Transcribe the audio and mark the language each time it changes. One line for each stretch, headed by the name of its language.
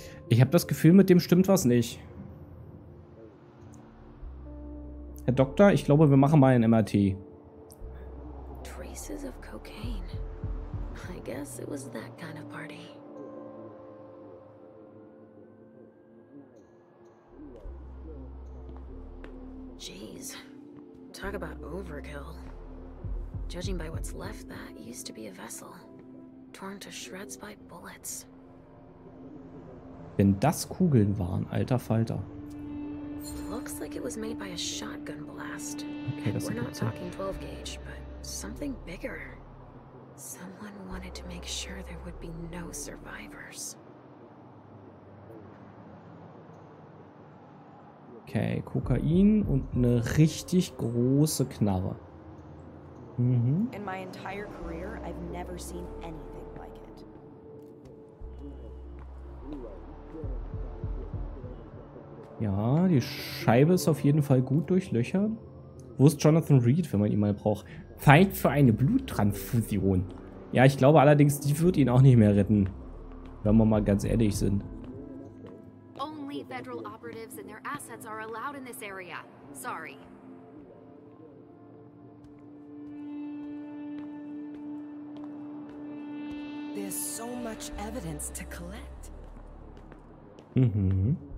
German: Ich habe das Gefühl, mit dem stimmt was nicht. Herr Doktor, ich glaube, wir machen mal ein MRT.
English: Traces of cocaine. I guess it was that kind of party. Jeez. Talk about overkill. Judging by what's left, that used to be a vessel. Torn to shreds by bullets.
German: Wenn das Kugeln waren, alter Falter.
English: Looks like it was made by a shotgun blast.
German: Okay, das
English: we're not talking 12 gauge, but something bigger. Someone wanted to make sure there would be no survivors.
German: Okay, Kokain und eine richtig große Knarre. Mhm.
English: In my entire career, I've never seen anything like it.
German: Ja, die Scheibe ist auf jeden Fall gut durchlöchert. Wo ist Jonathan Reed, wenn man ihn mal braucht? Feind für eine Bluttransfusion. Ja, ich glaube allerdings, die wird ihn auch nicht mehr retten. Wenn wir mal ganz ehrlich sind.
English: Only federal operatives and their assets are allowed in this area. Sorry. There's so much evidence to collect. Mhm.